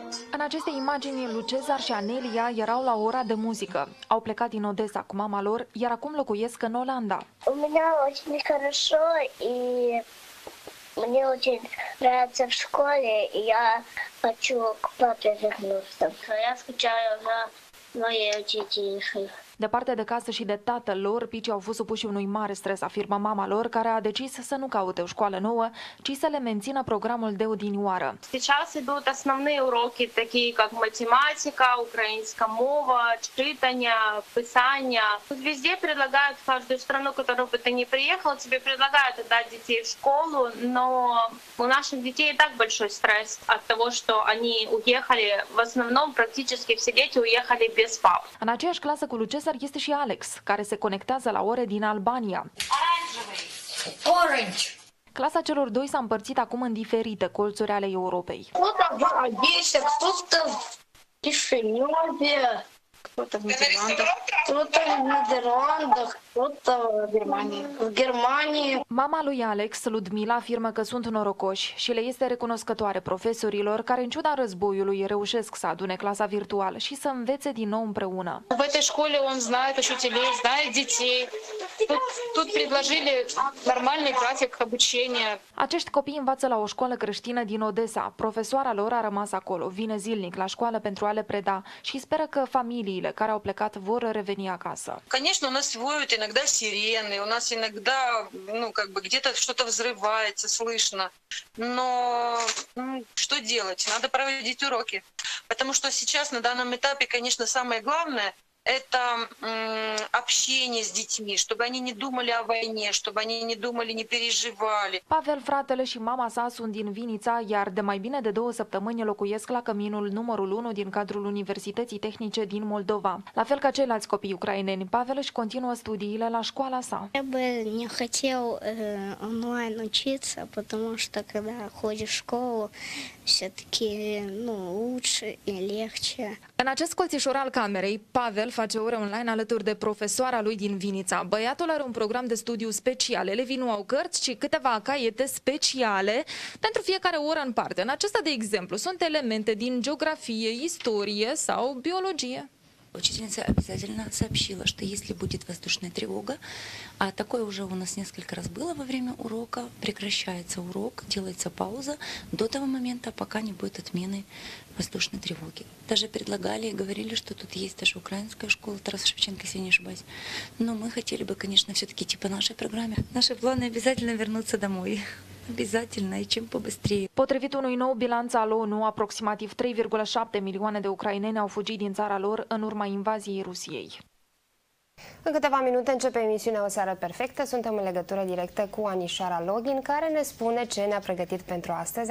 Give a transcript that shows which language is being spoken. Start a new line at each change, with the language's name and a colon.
Romanian: În aceste imagini, Lucezar și Anelia erau la ora de muzică. Au plecat din Odessa cu mama lor, iar acum locuiesc în Olanda.
Russian: Mă очень хорошо и мне очень нравится в школе. Я хочу к папе вернуться. Я скучаю за моей учительницей.
Romanian: Departe de casă și de tatăl lor, picii au fost supuși unui mare stres, afirmă mama lor, care a decis să nu caute o școală nouă, ci să le mențină programul de odinioară.
Russian: Сейчас идут основные уроки, такие как математика,
Ukrainian: украинська мова, читання, писання.
Russian: Тут везде предлагают, в каждую страну, в которую бы ты не приехал, тебе предлагают отдать детей в школу, но у наших детей и так большой стресс от того, что они уехали, в основном практически все дети уехали без пап.
Romanian: În aceeași clasă cu Lucezar este și Alex, care se conectează la ore din Albania.
English: Orange.
Romanian: Clasa celor doi s-a împărțit acum în diferite colțuri ale Europei. Mama lui Alex, Ludmila, afirmă că sunt norocoși și le este recunoscătoare profesorilor care, în ciuda războiului, reușesc să adune clasa virtuală și să învețe din nou împreună.
Russian: В этой школе он знает учителей, знает детей. Тут предложили нормальный график обучения.
Romanian: Acești copii învață la o școală creștină din Odessa. Profesoara lor a rămas acolo, vine zilnic la școală pentru a le preda și speră că familiile care au plecat vor reveni acasă.
Russian: Конечно, у нас воют иногда сирены, у нас иногда, ну, как бы где-то что-то взрывается, слышно. Но, что делать? Надо проводить уроки. Потому что сейчас на данном этапе, конечно, самое главное это общение с детьми, чтобы они не думали о войне, чтобы они не думали, не переживали.
Romanian: Павел, fratele și mama sa sunt din Vinița, iar de mai bine de două săptămâni locuiesc la căminul numărul 1 din cadrul Universității Tehnice din Moldova. La fel ca ceilalți copii ucraineni, Павел își continuă studiile la școala sa.
Russian: Не хотел онлайн учиться, потому что когда ходишь в школу, все-таки, ну, лучше и легче.
Romanian: În acest colțișor al camerei, Pavel face ore online alături de profesoara lui din Vinița. Băiatul are un program de studiu special. Elevii nu au cărți, ci câteva caiete speciale pentru fiecare oră în parte. În acesta, de exemplu, sunt elemente din geografie, istorie sau biologie.
Russian: Учительница обязательно сообщила, что если будет воздушная тревога, а такое уже у нас несколько раз было во время урока, прекращается урок, делается пауза до того момента, пока не будет отмены воздушной тревоги. Даже предлагали и говорили, что тут есть даже украинская школа Тараса Шевченко, если не ошибаюсь. Но мы хотели бы, конечно, все-таки идти по нашей программе. Наши планы обязательно вернуться домой.
Romanian: Potrivit unui nou bilanț al ONU, aproximativ 3,7 milioane de ucraineni au fugit din țara lor în urma invaziei Rusiei. În câteva minute începe emisiunea O Seară Perfectă. Suntem în legătură directă cu Anișoara Login, care ne spune ce ne-a pregătit pentru astăzi.